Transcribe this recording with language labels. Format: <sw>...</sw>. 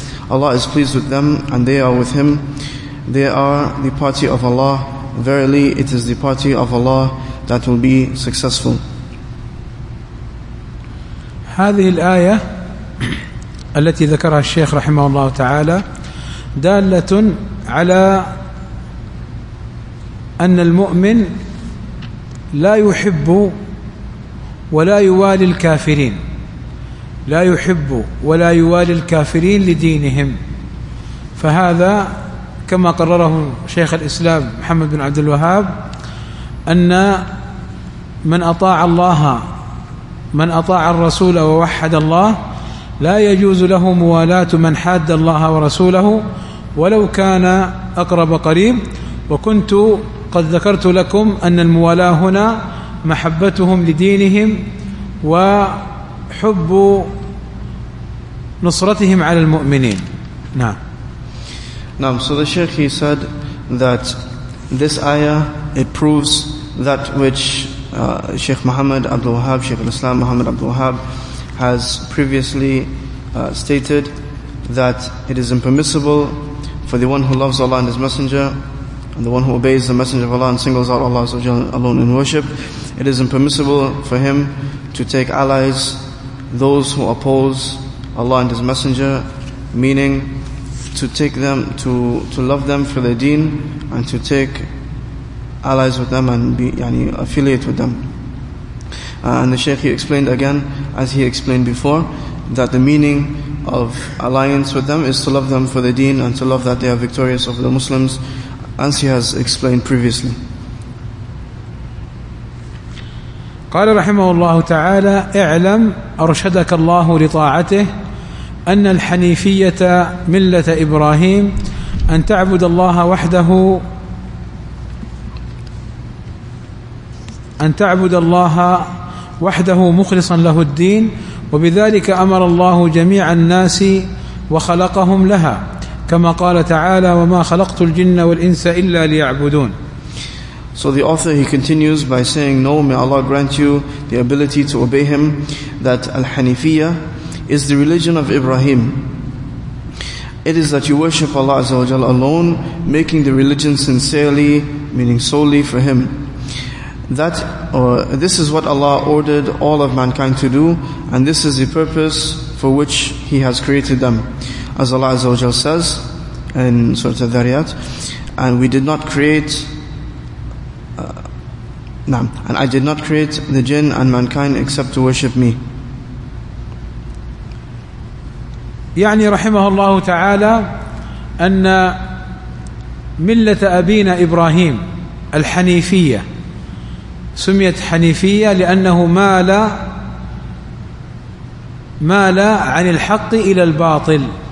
<en>Allah is pleased with them, and they are with Him. They are the party of Allah. Verily, it is the party of Allah that will be successful."</en> <ar>هذه الآية التي ذكرها الشيخ رحمه الله تعالى دالة على أن المؤمن لا يحب ولا يوالي الكافرين, لا يحب ولا يوالي الكافرين لدينهم. فهذا كما قرره شيخ الإسلام محمد بن عبد الوهاب أن من أطاع الله, من أطاع الرسول ووحد الله, لا يجوز له موالاة من حاد الله ورسوله ولو كان أقرب قريب. وكنت قد ذكرت لكم أن الموالاة هنا محبتهم لدينهم وحب نصرتهم على المؤمنين. نعم.</ar> <en>Now, so the Shaykh, he said that this ayah, it proves that which Shaykh Muhammad Abdul Wahhab, Shaykh al-Islam Muhammad Abdul Wahhab, has previously stated, that it is impermissible for the one who loves Allah and His Messenger, and the one who obeys the Messenger of Allah and singles out Allah alone in worship, it is impermissible for him to take allies, those who oppose Allah and His Messenger, meaning to take them, to love them for their deen, and to take allies with them and be yani, affiliate with them. And the Shaykh, he explained again, as he explained before, that the meaning of alliance with them is to love them for their deen and to love that they are victorious over the Muslims, as he has explained previously.</en> <ar>قال رحمه الله تعالى اعلم أرشدك الله لطاعته أن الحنيفية ملة إبراهيم أن تعبد الله وحده, أن تعبد الله وحده مخلصا له الدين, وبذلك أمر الله جميع الناس وخلقهم لها كما قال تعالى وما خلقت الجن والإنس إلا ليعبدون.</ar> <en>So the author, he continues by saying, "No, may Allah grant you the ability to obey Him, that al-hanifiyya is the religion of Ibrahim. It is that you worship Allah Azza wa Jalla alone, making the religion sincerely, meaning solely for Him. That, or this is what Allah ordered all of mankind to do, and this is the purpose for which He has created them. As Allah Azza wa Jalla says in Surah Al-Dhariyat, and we did not create, and I did not create the jinn and mankind except to worship Me."</en> <ar>يعني رحمه الله تعالى أن ملة أبينا إبراهيم الحنيفية سميت حنيفية لأنه مال عن الحق إلى الباطل,</ar>